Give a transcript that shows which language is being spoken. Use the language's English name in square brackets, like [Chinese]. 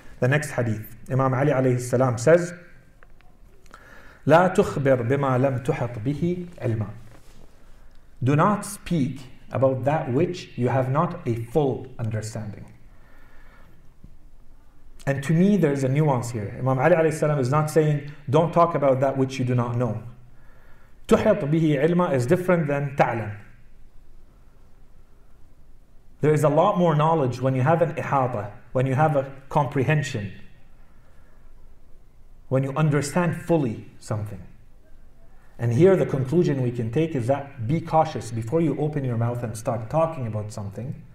[English] The next hadith, Imam Ali alayhi salam says, [Arabic] لا تخبر بما لم تحط به علما. [English] Do not speak about that which you have not a full understanding. And to me, there's a nuance here. Imam Ali alayhi salam is not saying, don't talk about that which you do not know. [Arabic] تحط به علما [English] is different than [Arabic] تعلم. [English] There is a lot more knowledge when you have an ihata, when you have a comprehension, when you understand fully something. And here the conclusion we can take is that be cautious before you open your mouth and start talking about something.